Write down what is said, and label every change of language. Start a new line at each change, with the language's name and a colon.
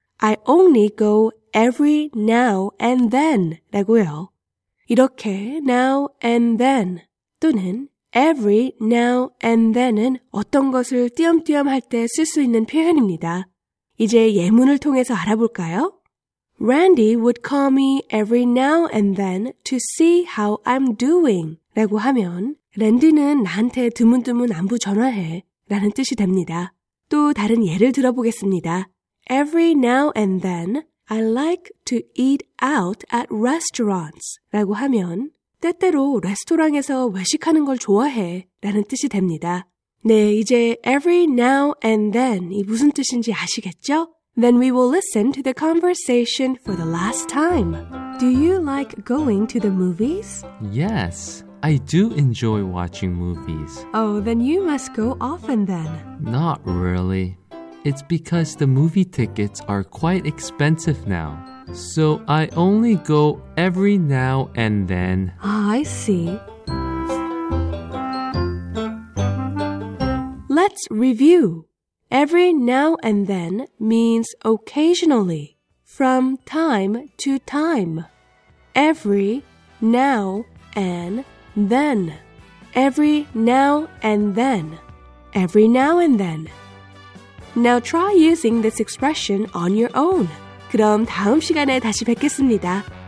English: I only go every now and then
Korean: 라고요. 이렇게 now and then 또는
English: every now and then
Korean: 은 어떤 것을 띄엄띄엄 할 때 쓸 수 있는 표현입니다. 이제 예문을 통해서 알아볼까요?
English: Randy would call me every now and then to see how I'm doing
Korean: 라고 하면 랜디는 나한테 드문드문 안부 전화해 라는 뜻이 됩니다. 또 다른 예를 들어보겠습니다.
English: Every now and then I like to eat out at restaurants
Korean: 라고 하면 때때로 레스토랑에서 외식하는 걸 좋아해 라는 뜻이 됩니다. 네, 이제
English: every now and then
Korean: 이 무슨 뜻인지 아시겠죠?
English: Then we will listen to the conversation for the last time. Do you like going to the movies? Yes, I do enjoy watching movies. Oh, then you must go often then. Not really. It's because the movie tickets are quite expensive now. So I only go every now and then. I see. Let's review. Every now and then means occasionally, from time to time. Every, now, and then. Every now and then. Every now and then. Now try using this expression on your own.
Korean: 그럼 다음 시간에 다시 뵙겠습니다.